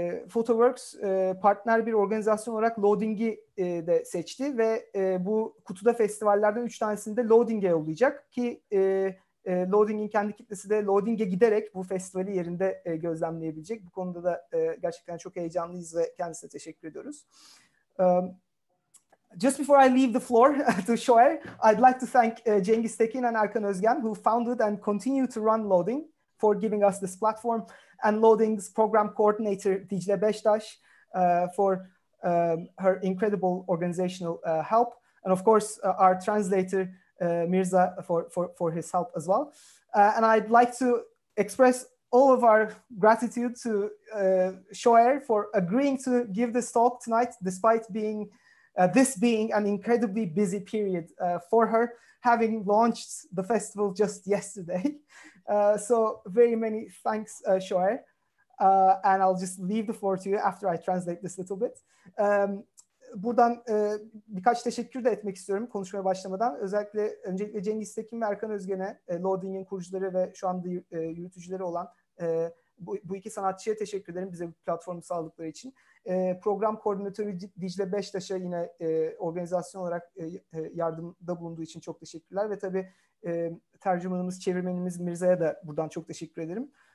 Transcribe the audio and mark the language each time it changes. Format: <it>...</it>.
<tr>Photoworks partner bir organizasyon olarak Loading'i de seçti ve bu kutuda festivallerden 3 tanesini de Loading'e yollayacak ki Loading'in kendi kitlesi de Loading'e giderek bu festivali yerinde gözlemleyebilecek. Bu konuda da gerçekten çok heyecanlıyız ve kendisine teşekkür ediyoruz.</tr> <en>Just before I leave the floor to Shoair, I'd like to thank Cengiz Tekin and Erkan Özgen, who founded and continue to run Loading, for giving us this platform, and Loading's program coordinator, Dicle Beştaş, for her incredible organizational help, and of course, our translator, Mirza, for his help as well. And I'd like to express all of our gratitude to Shoair for agreeing to give this talk tonight, despite being this being an incredibly busy period for her, having launched the festival just yesterday. So very many thanks, Shoair. And I'll just leave the floor to you after I translate this little bit.</en> <tr>Buradan birkaç teşekkür de etmek istiyorum konuşmaya başlamadan. Öncelikle Cengiz Tekin ve Erkan Özgen'e, Loading'in kurucuları ve şu anda yürütücüleri olan bu iki sanatçıya teşekkür ederim bize bu platformu sağladıkları için. Program koordinatörü Dicle Beştaş'a yine organizasyon olarak yardımda bulunduğu için çok teşekkürler. Ve tabii tercümanımız, çevirmenimiz Mirza'ya da buradan çok teşekkür ederim.</tr>